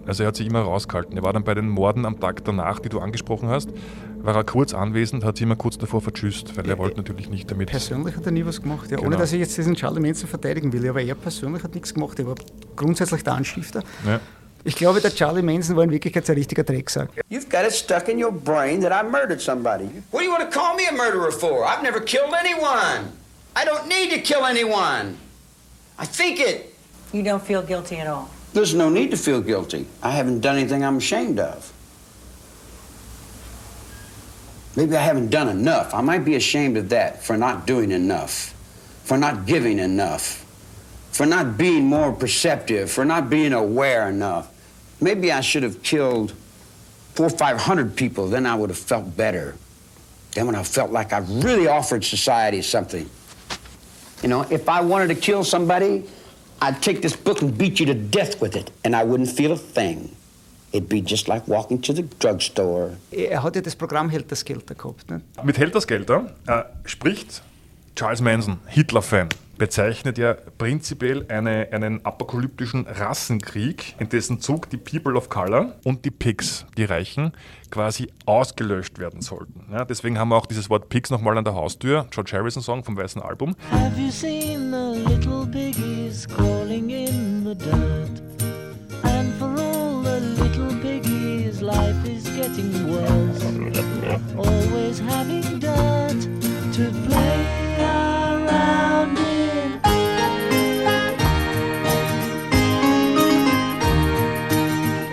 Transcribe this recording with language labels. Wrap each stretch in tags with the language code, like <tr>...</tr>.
<de>Also er hat sich immer rausgehalten. Er war dann bei den Morden am Tag danach, die du angesprochen hast, war er kurz anwesend, hat sich immer kurz davor vertschüsst, weil er wollte natürlich nicht damit... Persönlich hat er nie was gemacht, ja, genau. Ohne dass ich jetzt diesen Charlie Manson verteidigen will, aber er persönlich hat nichts gemacht, er war grundsätzlich der Anstifter. Ja. Ich glaube, der Charlie Manson war in Wirklichkeit ein richtiger Drecksack.</de> <en>You've got it stuck in your brain that I murdered somebody. What do you want to call me a murderer for? I've never killed anyone. I don't need to kill anyone. I think it. You don't feel guilty at all. There's no need to feel guilty. I haven't done anything I'm ashamed of. Maybe I haven't done enough. I might be ashamed of that, for not doing enough, for not giving enough, for not being more perceptive, for not being aware enough. Maybe I should have killed 400 or 500 people, then I would have felt better. Then when I felt like I really offered society something. You know, if I wanted to kill somebody, I'd take this book and beat you to death with it, and I wouldn't feel a thing. It'd be just like walking to the drugstore.</en> <de>Er hat ja das Programm Helterskelter gehabt. Ne? Mit Helterskelter spricht Charles Manson, Hitler-Fan, bezeichnet ja prinzipiell einen apokalyptischen Rassenkrieg, in dessen Zug die People of Color und die Pigs, die Reichen, quasi ausgelöscht werden sollten. Ja, deswegen haben wir auch dieses Wort Pigs nochmal an der Haustür, George Harrison-Song vom Weißen Album.</de> <en>Have you seen the little piggies crawling in the dirt? And for all the little piggies, life is getting worse. Always having dirt to play around in.</en>